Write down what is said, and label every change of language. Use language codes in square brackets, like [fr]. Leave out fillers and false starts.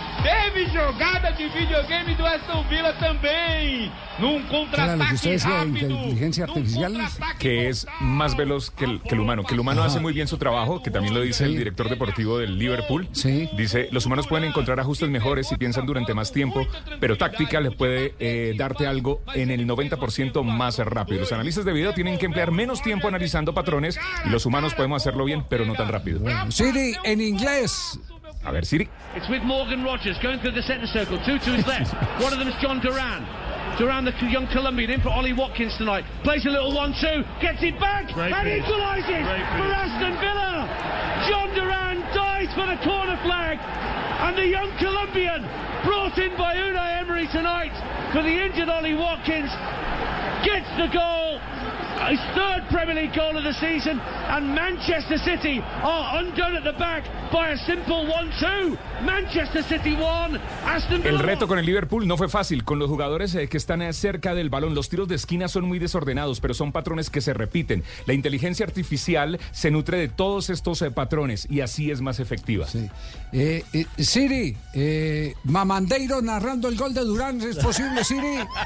[pt] Teve jogada de videogame do Aston Villa também. Num contra-ataque rápido. [es] Inteligencia artificial. Que es más veloz que el humano. Que el humano hace muy bien su trabajo. Que también lo dice el director deportivo del Liverpool. Sí. Dice, los humanos pueden encontrar ajustes mejores si piensan durante más tiempo. Pero táctica le puede darte algo en el 90% más rápido. Los analistas de video tienen que emplear menos tiempo analizando patrones. Y los humanos podemos hacerlo bien, pero no tan rápido. Siri, en inglés. A ver, Siri. [en] It's with Morgan Rogers going through the center circle. Two to his left. One of them is John Duran. Duran, the young Colombian, in for Ollie Watkins tonight. Plays a little 1-2, gets it back, great and equalises for Aston Villa. John Duran dies for the corner flag. And the young Colombian, brought in by Unai Emery tonight for the injured Ollie Watkins, gets the goal. His third Premier League goal of the season. And Manchester City are undone at the back by a simple 1-2. Manchester City 1, Aston Villa. [es] El reto con el Liverpool no fue fácil. Con los jugadores que están cerca del balón, los tiros de esquina son muy desordenados, pero son patrones que se repiten. La inteligencia artificial se nutre de todos estos patrones y así es más efectiva. Sí. Siri, Mamandeiro narrando el gol de Durán. ¿Es posible, Siri?